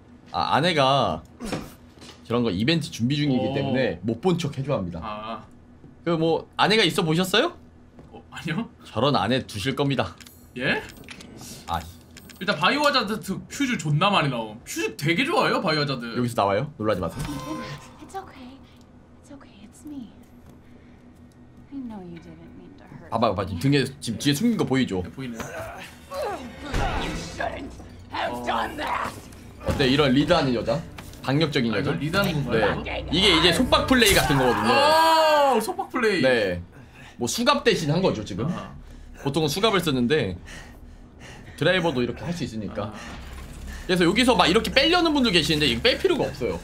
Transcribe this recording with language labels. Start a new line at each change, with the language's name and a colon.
Korean: 아 아내가 그런 거 이벤트 준비 중이기 오. 때문에 못 본 척 해줘야 합니다. 아. 그 뭐 아내가 있어 보셨어요? 어, 아니요. 저런 아내 두실 겁니다. 예? 아. 일단 바이오하자드 퓨즈 존나 많이 나옴. 퓨즈 되게 좋아요 바이오하자드. 여기서 나와요? 놀라지 마세요.
English: It's okay. It's okay. It's me. I know you didn't mean to hurt.
Korean: 봐봐요, 봐 지금 등에 지금 뒤에 숨긴 거 보이죠? 네, 보이네.
English: You shouldn't have done that.
Korean: 어때 이런 리드하는 여자? 강력적인 여자. 아, 리드하는 건가요? 네. 이게 이제 속박 플레이 같은 거거든요. 오, 속박 플레이. 네. 뭐 수갑 대신 한 거죠 지금? 보통은 수갑을 쓰는데. 드라이버도 이렇게 할 수 있으니까. 그래서 여기서 막 이렇게 빼려는 분들 계시는데 이거 뺄 필요가 없어요.